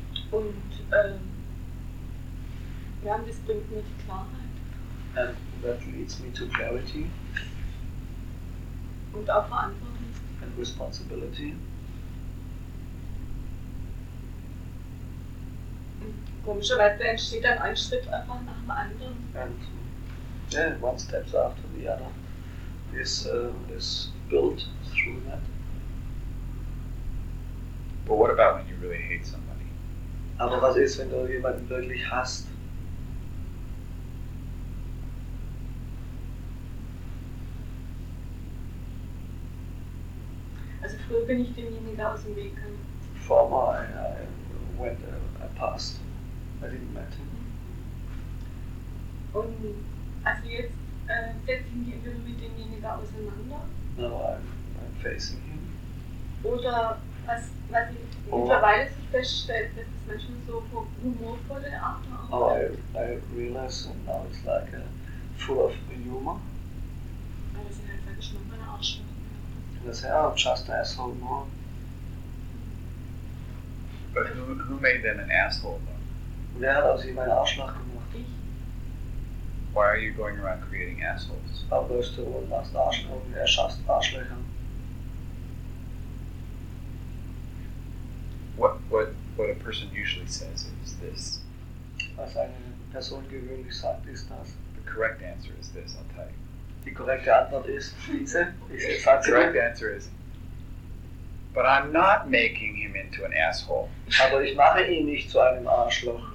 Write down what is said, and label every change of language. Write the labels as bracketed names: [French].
[German] Und ja, und das bringt mir die Klarheit. [English] And that leads me to clarity. [German] Und auch Verantwortung. [English] And responsibility. [German] Komischerweise entsteht dann ein Schritt einfach nach dem anderen. [English] And yeah, one step after the other is built through that. But what about when you really hate somebody? [German] Aber was ist, wenn du jemanden wirklich hasst? Also früher bin ich demjenigen aus dem Weg gegangen. [English] Former I passed. I didn't met him. [German] Und also jetzt setze ich mich immer mit demjenigen auseinander. [English] No, I'm facing him. [German] Oder was ich mittlerweile so feststelle, dass es manchmal so humorvolle Art haben. [English] Oh, I realize and now it's like full of humor. [German] Aber es sind halt dann schon meine Arschlöcher. [English] And I say, oh, I'm just an asshole more. But who made them an asshole though? [German] Wer hat aus ihm einen Arschloch gemacht? Ich. [English] Why are you going around creating assholes? [German] Warum bist du und machst Arschloch und erschaffst Arschlöcher? [English] What a person usually says is this. [German] Was eine Person gewöhnlich sagt, ist das. [English] The correct answer is this, I'll tell you. [German] Die korrekte Antwort ist diese. [English] The correct answer is, but I'm not making him into an asshole. [German] Aber ich mache ihn nicht zu einem Arschloch.